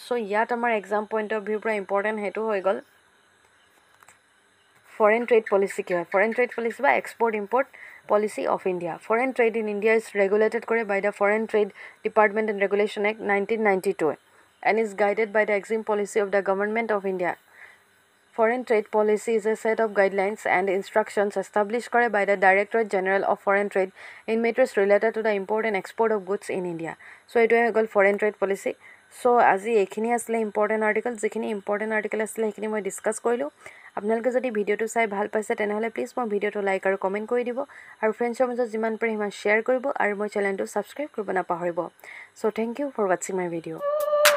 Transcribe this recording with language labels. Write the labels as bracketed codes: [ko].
[as] চ' ইয়াত আমাৰ exam point of ভিউৰ পৰা ইম্পৰ্টেণ্ট সেইটো হৈ গ'ল ফৰেন ট্ৰেড পলিচি কি হয়, ফৰেন ট্ৰেড পলিচি বা export import policy of India. [en] Foreign trade in India is regulated কৰে by the foreign trade department and regulation act 1992 and is guided by the EXIM policy of the government of India. Foreign Trade Policy is a set of guidelines and instructions established kare by the Directorate General of Foreign Trade in matters related to the import and export of goods in India. So, it is called Foreign Trade Policy. [as] So, aji ekhini asle important article, jekhini important article asle ekhini moi discuss korilu. আপোনালোকে যদি ভিডিঅ'টো চাই ভাল পাইছে তেনেহ'লে please মোৰ ভিডিঅ'টো like আৰু কমেণ্ট কৰি দিব আৰু ফ্ৰেণ্ডছৰ মাজত যিমান পাৰে সিমান শ্বেয়াৰ কৰিব আৰু মোৰ চেনেলটো ছাবস্ক্ৰাইব কৰিব নাপাহৰিব। [en] So' thank U for ৱাটচিং my video'.